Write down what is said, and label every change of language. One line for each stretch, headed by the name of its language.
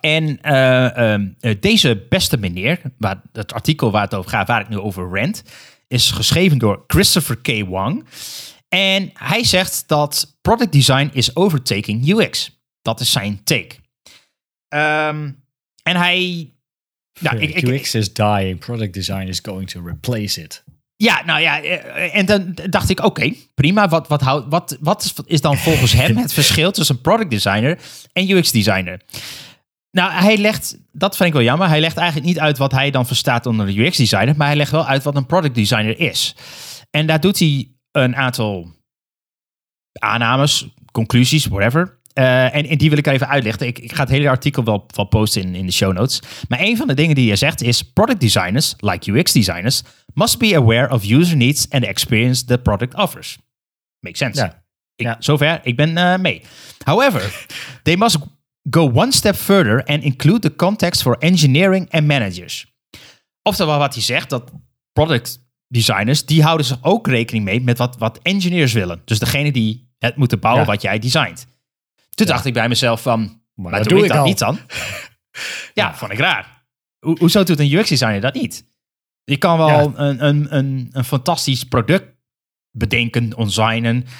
Dutch: En deze beste meneer, het artikel waar het over gaat, waar ik nu over rant, is geschreven door Christopher K. Wong. En hij zegt dat
English: product design is overtaking UX.
Dutch: Dat is zijn take. En hij...
English: UX is dying, product design is going to replace it.
Dutch: Ja, nou ja, en dan dacht ik, oké, prima. Wat is dan volgens hem het verschil tussen product designer en UX designer? Nou, hij legt, dat vind ik wel jammer, hij legt eigenlijk niet uit wat hij dan verstaat onder een UX designer, maar hij legt wel uit wat een product designer is. En daar doet hij een aantal aannames, conclusies, whatever. En die wil ik even uitlichten. Ik ga het hele artikel wel posten in de show notes. Maar een van de dingen die hij zegt is,
English: product designers, like UX designers, must be aware of user needs and experience the product offers. Makes sense.
Dutch: Ja. Zover, ik ben mee.
English: However, they must... go one step further and include the context for engineering and managers.
Dutch: Oftewel wat hij zegt, dat product designers, die houden zich ook rekening mee met wat engineers willen. Dus degene die het moeten bouwen, ja, wat jij designt. Toen, ja, dacht ik bij mezelf van, maar dat doe ik dat niet dan? Ja, ja, vond ik raar. Hoezo doet een UX designer dat niet? Je kan wel, ja, een fantastisch product bedenken, designen.